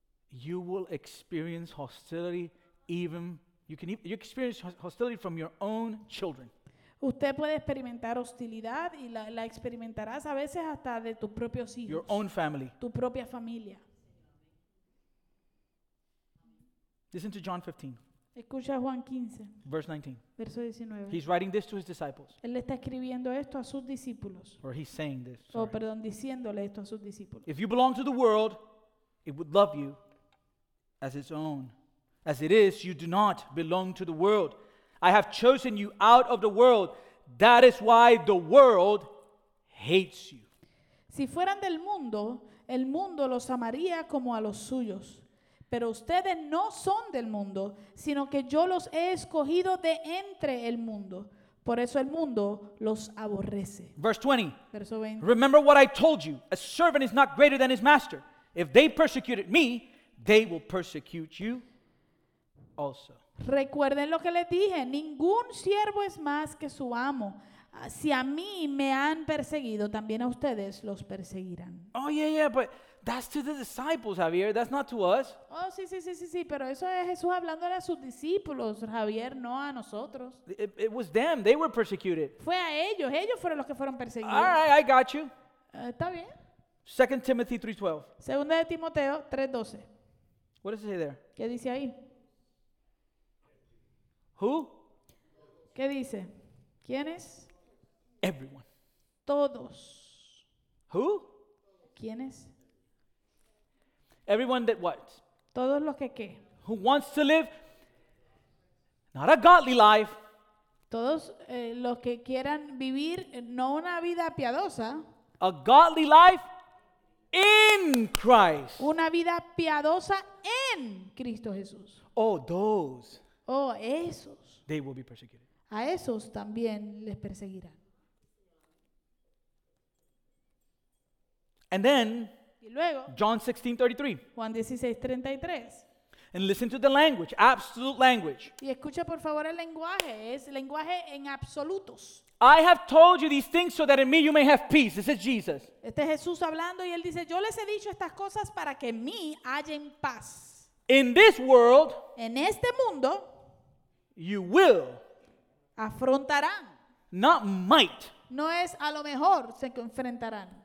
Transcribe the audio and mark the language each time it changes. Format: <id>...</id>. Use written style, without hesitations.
<en>You will experience hostility even you experience hostility from your own children.</en> <es>Usted puede experimentar hostilidad y la experimentarás a veces hasta de tus propios hijos.</es> <en>Your own family.</en> <es>Tu propia familia.</es> <en>Listen to John 15.</en> <es>Escucha Juan 15.</es> <en>Verse 19.</en> <es>Verso 19.</es> <en>He's writing this to his disciples.</en> <es>Él está escribiendo esto a sus discípulos.</es> <en>Or he's saying this. Sorry.</en> <es>Oh, perdón, diciéndole esto a sus discípulos.</es> <en>If you belong to the world, it would love you as its own. As it is, you do not belong to the world. I have chosen you out of the world. That is why the world hates you.</en> <es>Si fueran del mundo, el mundo los amaría como a los suyos. Pero ustedes no son del mundo, sino que yo los he escogido de entre el mundo. Por eso el mundo los aborrece.</es> <en>Verse 20.</en> <es>Verso 20.</es> <en>Remember what I told you. A servant is not greater than his master. If they persecuted me, they will persecute you. Also.</en> <es>Recuerden lo que les dije, ningún siervo es más que su amo. Si a mí me han perseguido, también a ustedes los perseguirán.</es> <en>Oh, yeah, but that's to the disciples, Javier, that's not to us.</en> <es>Oh, sí, pero eso es Jesús hablando a sus discípulos, Javier, no a nosotros.</es> <en>It was them, they were persecuted.</en> <es>Fue a ellos fueron los que fueron perseguidos.</es> <en>All right, I got you.</en> <es>Está bien.</es> <en>2 Timothy 3:12.</en> <es>Segunda de Timoteo 3:12.</es> <en>What does it say there?</en> <es>¿Qué dice ahí?</es> <en>Who?</en> <es>¿Qué dice? ¿Quiénes?</es> <en>Everyone.</en> <es>Todos.</es> <en>Who?</en> <es>¿Quiénes?</es> <en>Everyone that what?</en> <es>Todos los que qué?</es> <en>Who wants to live not a godly life.</en> <es>Todos los que quieran vivir no una vida piadosa.</es> <en>A godly life in Christ.</en> <es>Una vida piadosa en Cristo Jesús.</es> <en>Oh, those.</en> <es>Oh, esos.</es> <en>They will be persecuted.</en> <es>A esos también les perseguirán.</es> <en>And then,</en> <es>y luego,</es> <en>John 16:33.</en> <es>Juan 16:33.</es> <en>And listen to the language, absolute language.</en> <es>Y escucha por favor el lenguaje, es lenguaje en absolutos.</es> <en>I have told you these things so that in me you may have peace. This is Jesus.</en> <es>Este es Jesús hablando y él dice, yo les he dicho estas cosas para que en mí hallen paz.</es> <en>In this world,</en> <es>en este mundo,</es> <en>you will.</en> <es>Afrontarán.</es> <en>Not might.</en> <es>No es a lo mejor se enfrentarán.</es>